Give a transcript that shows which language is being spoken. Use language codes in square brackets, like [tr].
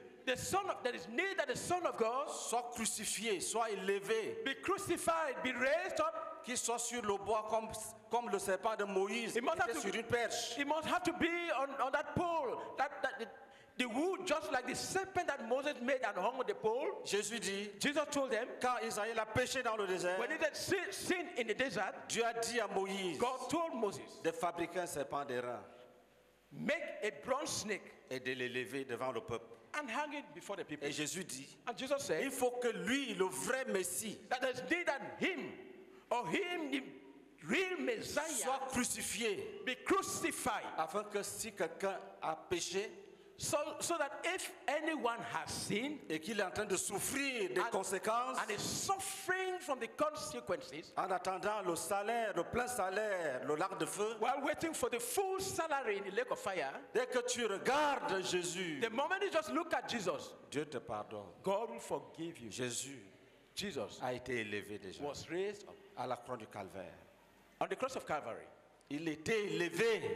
[en] the Son of, that is need that the Son of God, [fr] soit crucifié, soit élevé, [en] be crucified, be raised up, [fr] qu'il soit sur le bois comme le serpent de Moïse, était sur une perche. [en] He must have to be on that pole, the wood, just like the serpent that Moses made and hung on the pole. [fr] Jésus dit, [en] Jesus told them, [fr] car Israël a péché dans le désert, [en] when he did sin in the desert, [fr] Dieu a dit à Moïse, [en] God told Moses, [fr] de fabriquer un serpent d'airain, [en] make a bronze snake, [fr] et de l'élever devant le peuple, [en] and hang it before the people. [fr] Et Jésus dit, [en] and Jesus said, [fr] il faut que lui, le vrai Messie, [en] that is need that him, or him, the real Messiah, [fr] soit crucifié, [en] be crucified, [fr] afin que si quelqu'un a péché, [en] So that if anyone has sinned, [fr] et qu'il est en train de souffrir des conséquences, [en] and is suffering from the consequences, [fr] en attendant le salaire, le plein salaire, le lac de feu, [en] while waiting for the full salary in the lake of fire, [fr] dès que tu regardes Jésus, [en] the moment you just look at Jesus, [fr] Dieu te pardonne. [en] God will forgive you. [fr] Jésus, [en] Jesus, [fr] a été élevé déjà. [en] Was raised up [fr] à la croix du Calvaire. [en] On the cross of Calvary. [fr] Il était élevé.